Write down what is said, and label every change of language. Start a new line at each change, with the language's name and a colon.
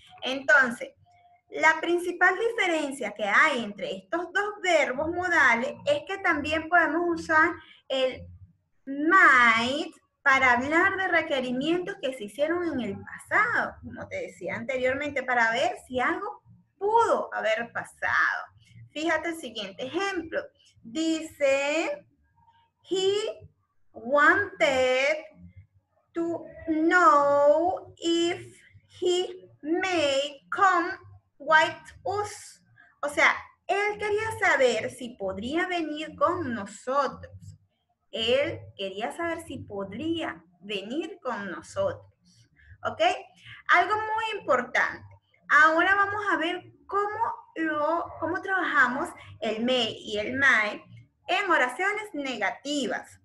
Spanish: Entonces, la principal diferencia que hay entre estos dos verbos modales es que también podemos usar el might para hablar de requerimientos que se hicieron en el pasado, como te decía anteriormente, para ver si algo pudo haber pasado. Fíjate el siguiente ejemplo. Dice,
English: he wanted to know if he may come with us.
Spanish: O sea, él quería saber si podría venir con nosotros. Él quería saber si podría venir con nosotros. ¿Ok? Algo muy importante. Ahora vamos a ver cómo trabajamos el may y el may en oraciones negativas.